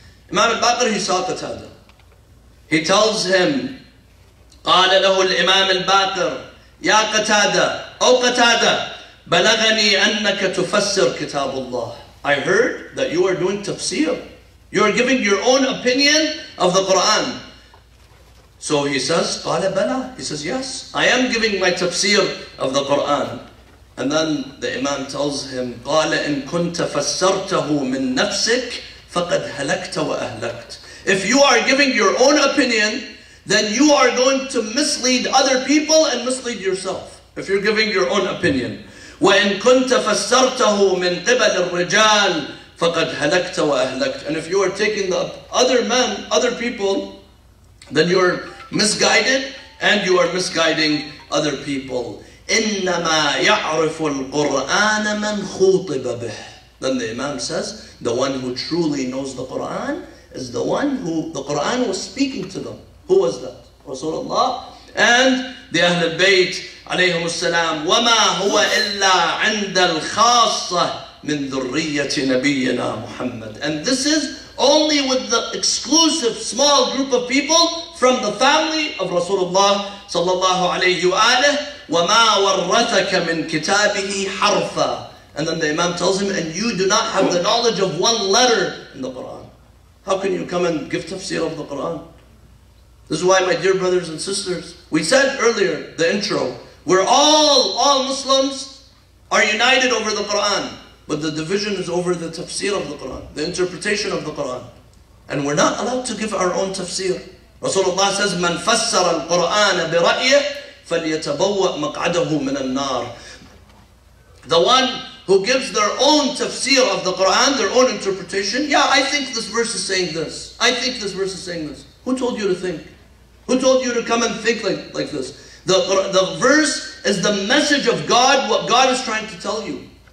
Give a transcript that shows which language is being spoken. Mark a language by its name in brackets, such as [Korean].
[English] Imam al-Baqir, he saw Qatada. He tells him, [Arabic] Qala lahu al-Imam al-Baqir, Ya Qatada, [English] O Qatada, [Arabic] Balagani annaka tufassir kitabullah. [English] I heard that you are doing tafsir. You are giving your own opinion of the Quran. So he says, [Arabic] Qala bala. [English] He says, yes, I am giving my tafsir of the Quran. And then the Imam tells him, [Arabic] قَالَ إِن كُنْتَ فَسَّرْتَهُ مِن نَفْسِكَ فَقَدْ هَلَكْتَ وَأَهْلَكْتَ. [English] If you are giving your own opinion, then you are going to mislead other people and mislead yourself. If you're giving your own opinion. [Arabic] وَإِن كُنْتَ فَسَّرْتَهُ مِن قِبَلِ الرِّجَالِ فَقَدْ هَلَكْتَ وَأَهْلَكْتَ. [English] And if you are taking the other men, other people, then you're misguided and you are misguiding other people. [Arabic] إِنَّمَا يَعْرِفُ الْقُرْآنَ مَنْ خُوطِبَ بِهِ. [English] Then the Imam says, the one who truly knows the Quran is the one who the Quran was speaking to them. Who was that? Rasulullah. [Arabic] And the Ahlul Bayt, alayhim as-salam, وَمَا هُوَ إِلَّا عِنْدَ الْخَاصَّةِ مِنْ ذُرِّيَّةِ نَبِيِّنَا مُحَمَّدٍ. [English] And this is only with the exclusive small group of people from the family of Rasulullah sallallahu alayhi wa alayhi. [Arabic] وَمَا وَرَّثَكَ مِنْ كِتَابِهِ حَرْفًا. [English] And then the Imam tells him, and you do not have the knowledge of one letter in the Quran. How can you come and give tafsir of the Quran? This is why, my dear brothers and sisters, we said earlier, the intro, we're all Muslims are united over the Quran. But the division is over the tafsir of the Quran, the interpretation of the Quran. And we're not allowed to give our own tafsir. [Arabic] Rasulullah says, مَنْ فَسَّرَ الْقُرْآنَ بِرَأْيِهِ فَلْيَتَبَوَّأْ مَقْعَدَهُ مِنَ النَّارِ. [English] The one who gives their own tafsir of the Quran, their own interpretation, yeah, I think this verse is saying this. I think this verse is saying this. Who told you to think? Who told you to come and think like this? The verse is the message of God, what God is trying to tell you.